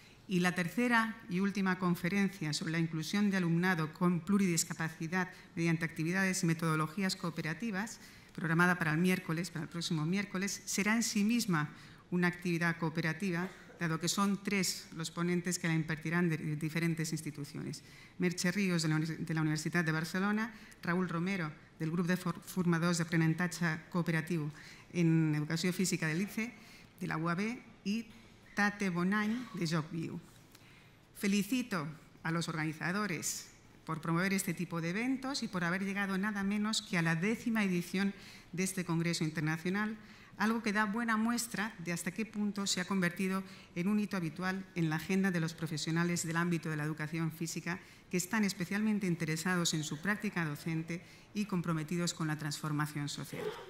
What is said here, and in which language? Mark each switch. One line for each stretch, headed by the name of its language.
Spanish: Y la tercera y última conferencia sobre la inclusión de alumnado con pluridiscapacidad mediante actividades y metodologías cooperativas, programada para el próximo miércoles, será en sí misma una actividad cooperativa, dado que son tres los ponentes que la impartirán de diferentes instituciones.
Catalan: Merche Ríos, de la Universitat de Barcelona, Raúl Romero, del grup de formadors d'aprenentatge cooperatiu en educació física de l'ICE, de la UAB, i Tate Bonany, de JocViu.
Spanish: Felicito a los organizadores por promover este tipo de eventos y por haber llegado nada menos que a la 10ª edición de este Congreso Internacional, algo que da buena muestra de hasta qué punto se ha convertido en un hito habitual en la agenda de los profesionales del ámbito de la educación física que están especialmente interesados en su práctica docente y comprometidos con la transformación social.